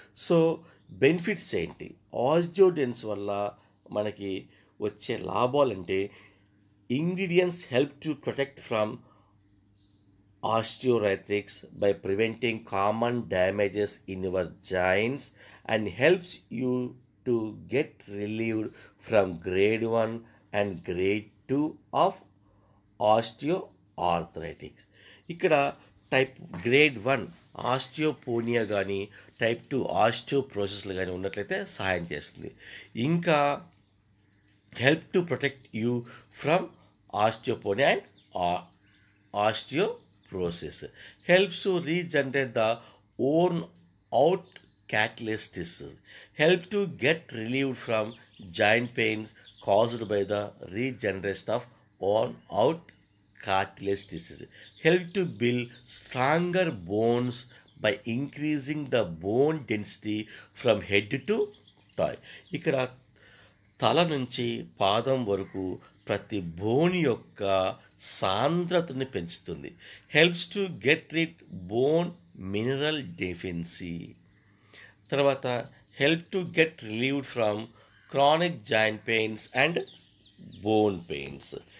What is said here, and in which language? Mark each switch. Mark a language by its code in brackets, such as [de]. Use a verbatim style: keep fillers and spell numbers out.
[te] So benefits ఏంటి ఆస్జోడెన్స్ వల్ల మనకి వచ్చే లాభాలంటే, [en] ingredients help to protect from osteoarthritis by preventing common damages in your joints and helps you to get relieved from grade one and grade two of osteoarthritis. [te] ఇక్కడ type grade one ఆస్టియోపోనియా కానీ type two ఆస్టియోప్రోసెస్లు కానీ ఉన్నట్లయితే సహాయం చేస్తుంది. [en] ఇంకా help to protect you from osteopenia and o- osteoporosis, helps to regenerate the worn out catalysis, help to get relieved from joint pains caused by the regeneration of worn out cartilage disease, help to build stronger bones by increasing the bone density from head to toe. [te] ఇక్కడ తల నుంచి పాదం వరకు ప్రతి bone యొక్క సాంద్రతని పెంచుతుంది. [en] Helps to get rid bone mineral deficiency. తర్వాత help to get relieved from chronic joint pains and bone pains.